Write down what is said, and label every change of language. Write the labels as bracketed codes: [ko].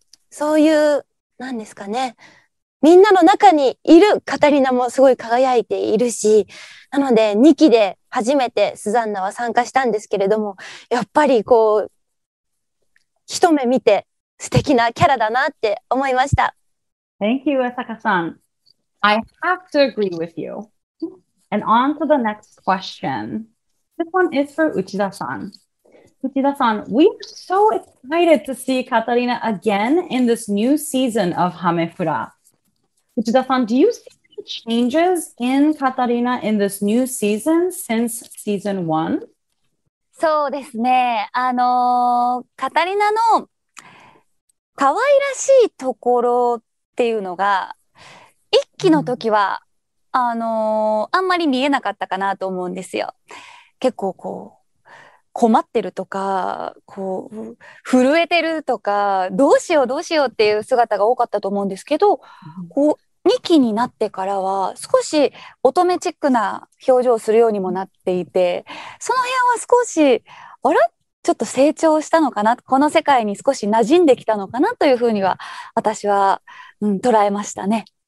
[ja] そういう何ですかね、みんなの中にいるカタリナもすごい輝いているし、なので2期で初めてスザンナは参加したんですけれども、やっぱりこう一目見て素敵なキャラだなって思いました。 [en] Thank you 浅香さん。 I have to agree with youAnd on to the next question. This one is for Uchida-san. Uchida-san, we are so excited to see Katarina again in this new season of Hamefura. Uchida-san, do you see any changes in Katarina in this new season since season one? [ja] そうですね。カタリナの可愛らしいところっていうのが、一期の時は、あんまり見えなかったかなと思うんですよ。結構こう困ってるとか、こう震えてるとか、どうしようどうしようっていう姿が多かったと思うんですけど、こう2期になってからは少し乙女チックな表情をするようにもなっていて、その辺は少しあれちょっと成長したのかな、この世界に少し馴染んできたのかなというふうには私は、捉えましたね。